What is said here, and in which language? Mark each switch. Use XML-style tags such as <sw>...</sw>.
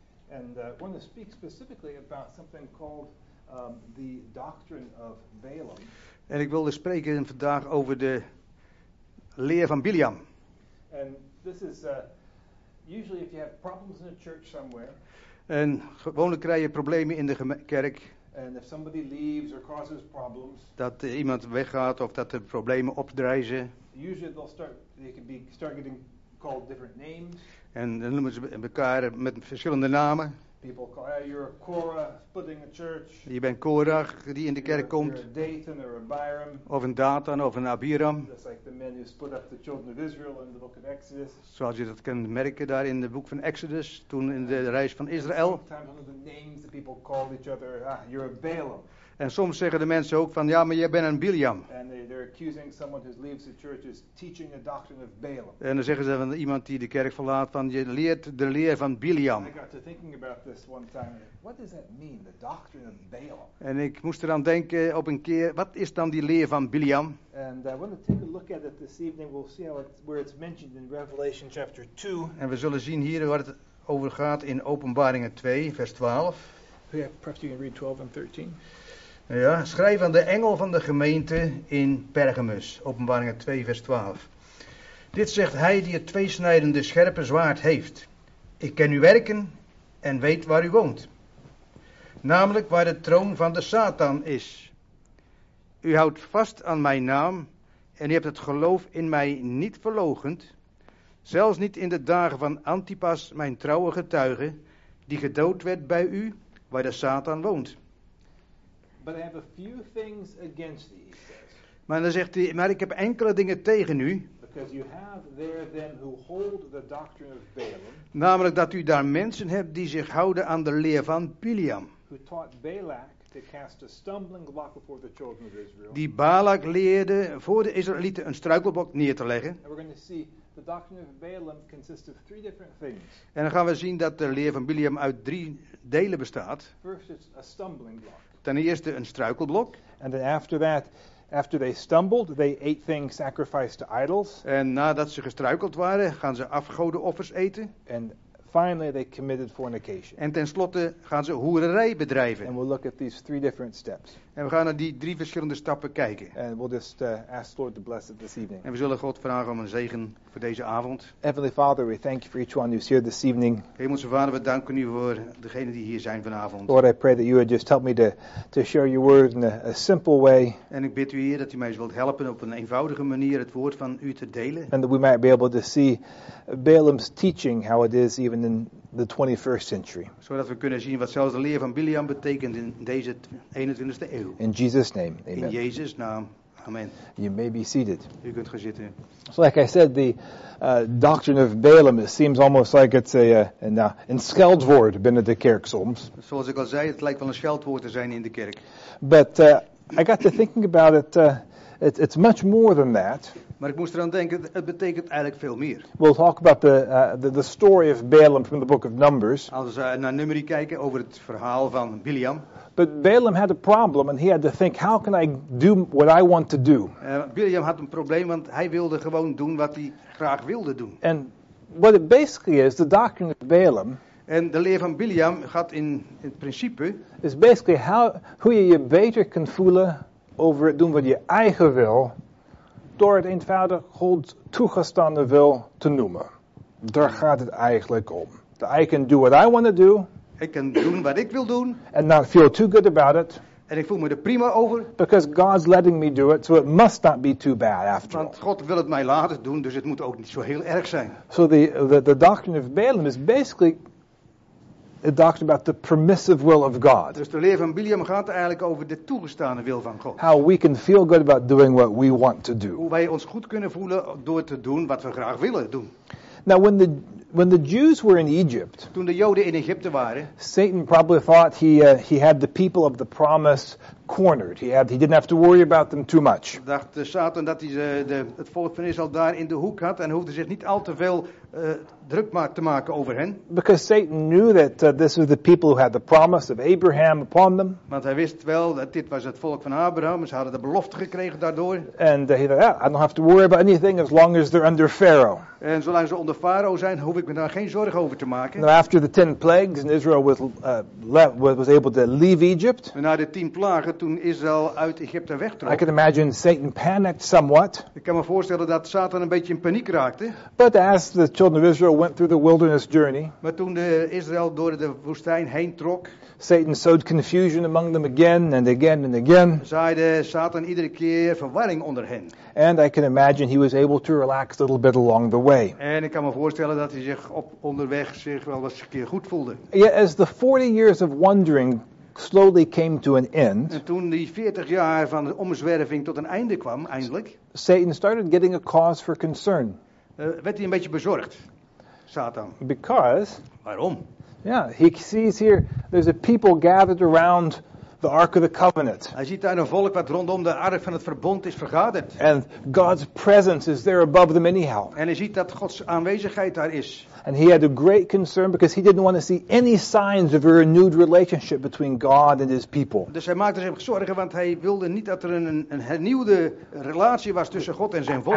<en>And I want to speak specifically about something called the doctrine of Balaam.</en> <nl>En ik wilde spreken vandaag over de leer van Bileam.</nl> <en>And this is usually if you have problems in a church somewhere.</en> <nl>En gewoonlijk krijg je problemen in de kerk.</nl> <en>And if somebody leaves or causes problems.</en> <nl>Dat iemand weggaat of dat er problemen opdrijzen.</nl> <en>Usually they'll start, they can be start getting called different names.</en> <nl>En dan noemen ze elkaar met verschillende namen.</nl> <en>People call, hey, you're a Korah splitting a church.</en> <nl>Je bent Korah die in de kerk komt.</nl> <en>You're a Dathan or a Abiram.</en> <nl>Of een Dathan of een Abiram.</nl> <en>That's like the men who split up the children of Israel in the book of Exodus.</en> <nl>Zoals je dat kunt merken daar in het boek van Exodus, toen in de reis van Israël.</nl> <en>Sometimes one of the names that people call each other, you're a Balaam.</en> <nl>En soms zeggen de mensen ook van, ja, maar jij bent een Bileam.</nl> <en>And they're accusing someone who leaves the church is teaching the doctrine of Balaam.</en> <nl>En dan zeggen ze van iemand die de kerk verlaat van, je leert de leer van Bileam.</nl> <en>I got to thinking about this one time. What does that mean, the doctrine of Balaam?</en> <nl>En ik moest eraan denken op een keer, wat is dan die leer van Bileam?</nl> <en>And I want to take a look at it this evening. We'll see how it's, where it's mentioned in Revelation chapter 2.</en> <nl>En we zullen zien hier waar het over gaat in Openbaringen 2, vers 12.</nl> <en>Yeah, perhaps you can read 12 and 13.</en> <nl>Ja, schrijf aan de engel van de gemeente in Pergamus, Openbaringen 2 vers 12. Dit zegt hij die het tweesnijdende scherpe zwaard heeft. Ik ken uw werken en weet waar u woont. Namelijk waar de troon van de Satan is. U houdt vast aan mijn naam en u hebt het geloof in mij niet verloochend. Zelfs niet in de dagen van Antipas, mijn trouwe getuige, die gedood werd bij u waar de Satan woont.</nl> <en>But I have a few things against thee, he says.</en> <nl>Maar dan zegt hij, maar ik heb enkele dingen tegen u.</nl> <en>Because you have there them who hold the doctrine of Balaam.</en> <nl>Namelijk dat u daar mensen hebt die zich houden aan de leer van Bileam.</nl> <en>Who taught Balak to cast a stumbling block before the children of Israel.</en> <nl>Die Balak leerde voor de Israëlieten een struikelblok neer te leggen.</nl> <en>And we're going to see the doctrine of Balaam consists of three different things.</en> <nl>En dan gaan we zien dat de leer van Bileam uit drie delen bestaat.</nl> <en>First it's a stumbling block.</en> <nl>Ten eerste een struikelblok.</nl> <en>And then after that, after they stumbled, they ate things sacrificed to idols.</en> <nl>En nadat ze gestruikeld waren, gaan ze afgodenoffers eten.</nl> <en>And finally they committed fornication.</en> <nl>En tenslotte gaan ze hoererij bedrijven.</nl> <en>And we'll look at these three different steps.</en> <nl>En we gaan naar die drie verschillende stappen kijken.</nl> <en>And we'll just ask the Lord to bless it this evening.</en> <nl>En we zullen God vragen om een zegen voor deze avond.</nl> <en>Heavenly Father, we thank you for each one who's here this evening.</en> <nl>Hemelse Vader, we danken u voor degenen die hier zijn vanavond.</nl> <en>Lord, I pray that you would just help me to share your word in a simple way.</en> <nl>En ik bid u hier dat u mij zult helpen op een eenvoudige manier het woord van u te delen.</nl> <en>And that we might be able to see Balaam's teaching, how it is even in the 21st century.</en> <nl>Zodat we kunnen zien wat zelfs de leer van Bileam betekent in deze 21ste eeuw.</nl> <en>In Jesus' name, amen.</en> <nl>In Jezus' naam, amen.</nl> <en>You may be seated.</en> <nl>U kunt gaan zitten.</nl> <en>So like I said, the doctrine of Balaam, it seems almost like it's a</en> <nl>scheldwoord binnen de kerk soms. Zoals ik al zei, het lijkt wel een scheldwoord te zijn in de kerk.</nl> <en>But I got to thinking about it, it's much more than that.</en> <nl>Maar ik moest eraan denken, het betekent eigenlijk veel meer.</nl> <en>We'll talk about the story of Balaam from the book of Numbers.</en> <nl>Als we naar Numeri kijken over het verhaal van Bileam.</nl> <en>But Balaam had a problem and he had to think, how can I do what I want to do?</en> <nl>Bileam had een probleem, want hij wilde gewoon doen wat hij graag wilde doen.</nl> <en>And what it basically is, the doctrine of Balaam.</en> <nl>En de leer van Bileam gaat in principe.</nl> <en>Is basically</en> <nl>hoe je beter kan voelen over het doen wat je eigen wil. Door het eenvoudig God toegestaande wil te noemen. Daar gaat het eigenlijk om.</nl> <en>I can do what I want to do.</en> <nl>Ik kan doen wat ik wil doen.</nl> <en>And not feel too good about it.</en> <nl>En ik voel me er prima over.</nl> <en>Because God's letting me do it, so it must not be too bad after</en> <nl>Want</nl> <en>all.</en> <nl>Want God wil het mij laten doen, dus het moet ook niet zo heel erg zijn.</nl> <en>So the doctrine of Balaam is basically a doctrine about the permissive will of God.</en> <nl>Dus de leer van Bileam gaat eigenlijk over de toegestane wil van God.</nl> <en>How we can feel good about doing what we want to do.</en> <nl>Hoe wij ons goed kunnen voelen door te doen wat we graag willen doen.</nl> <en>Now when the Jews were in Egypt,</en> <nl>toen de Joden in Egypte waren,</nl> <en>Satan probably thought he had the people of the promise cornered. He didn't have to worry about them too much.</en> <nl>Dacht Satan dat hij het volk van Israël daar in de hoek had en hoefde zich niet al te veel druk te maken over hen.</nl> <en>Because Satan knew that this was the people who had the promise of Abraham upon them.</en> <nl>Want hij wist wel dat dit was het volk van Abraham. Ze hadden de belofte gekregen daardoor.</nl> <en>And he thought, I don't have to worry about anything as long as they're under Pharaoh.</en> <nl>En zolang ze onder Farao zijn, hoef ik me daar geen zorgen over te maken.</nl> <en>Now after the 10 plagues and Israel was able to leave Egypt.</en> <nl>En na de 10 plagen toen Israël uit Egypte wegtrok.</nl> <en>I can imagine Satan panicked somewhat.</en> <nl>Ik kan me voorstellen dat Satan een beetje in paniek raakte.</nl> <en>But as the children of Israel went through the wilderness journey.</en> <nl>Maar toen de Israël door de woestijn heen trok.</nl> <en>Satan sowed confusion among them again and again and again.</en> <nl>Zaaide Satan iedere keer verwarring onder hen.</nl> <en>And I can imagine he was able to relax a little bit along the way.</en> <nl>En ik kan me voorstellen dat hij zich onderweg zich wel eens een keer goed voelde.</nl> <en>Yet as the 40 years of wandering slowly came to an end.</en> <nl>En toen die 40 jaar van de omzwerving tot een einde kwam, eindelijk.</nl> <en>Satan started getting a cause for concern.</en> <nl>Werd hij een beetje bezorgd, Satan?</nl> <en>Because.</en> <nl>Waarom?</nl> <en>Yeah, he sees here there's a people gathered around the Ark of the Covenant.</en> <nl>Hij ziet daar een volk wat rondom de Ark van het Verbond is vergaderd.</nl> <en>And God's presence is there above them anyhow.</en> <nl>En hij ziet dat Gods aanwezigheid daar is.</nl> <en>And he had a great concern because he didn't want to see any signs of a renewed relationship between God and his people.</en> <nl>Dus hij maakte zich zorgen, want hij wilde niet dat er een hernieuwde relatie was tussen God en zijn volk.</nl>